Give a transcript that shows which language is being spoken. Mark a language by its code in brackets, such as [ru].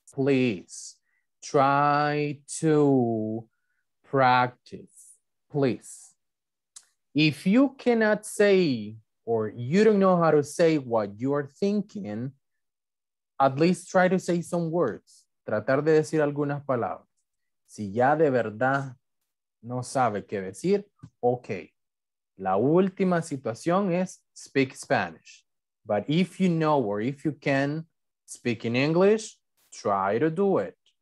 [en] Please try to practice, please. If you cannot say, or you don't know how to say what you are thinking, at least try to say some words. [es] Tratar de decir algunas palabras. Si ya de verdad no sabe qué decir, okay. La última situación es [en] speak Spanish. But if you know or if you can speak in English, try to do it.